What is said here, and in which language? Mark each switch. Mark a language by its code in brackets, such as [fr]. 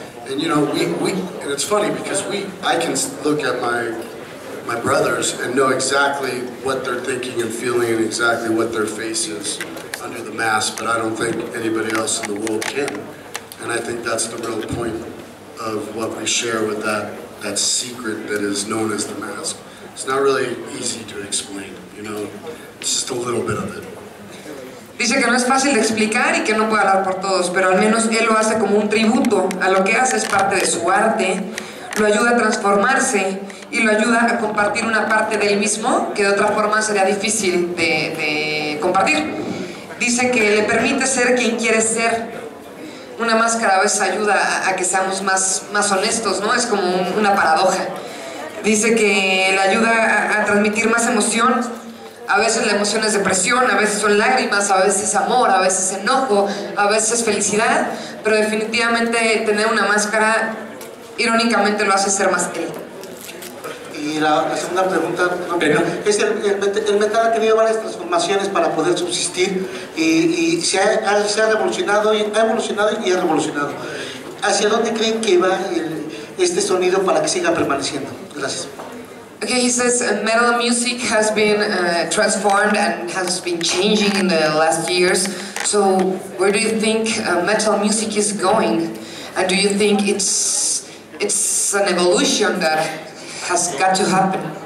[en] And you know, we and it's funny because I can look at my brothers and know exactly what they're thinking and feeling and exactly what their face is under the mask, but I don't think anybody else in the world can. And I think that's the real point of what we share with that secret that is known as the mask. It's not really easy to explain, you know, it's just a little bit of it. [es] Dice que no es fácil de explicar y que no puede hablar por todos, pero al menos él lo hace como un tributo a lo que hace, es parte de su arte, lo ayuda a transformarse y lo ayuda a compartir una parte del mismo que de otra forma sería difícil de compartir. Dice que le permite ser quien quiere ser. Una máscara a veces ayuda a que seamos más honestos, ¿no? Es como una paradoja. Dice que le ayuda a transmitir más emoción. A veces la emoción es depresión, a veces son lágrimas, a veces amor, a veces enojo, a veces felicidad. Pero definitivamente tener una máscara, irónicamente, lo hace ser más él. Y la segunda pregunta, ¿no? Es el metal ha tenido varias transformaciones para poder subsistir y se ha revolucionado, ha evolucionado y ha revolucionado. ¿Hacia dónde creen que va este sonido para que siga permaneciendo? Gracias. [en] Okay, he says metal music has been transformed and has been changing in the last years. So where do you think metal music is going? And do you think it's an evolution that has got to happen?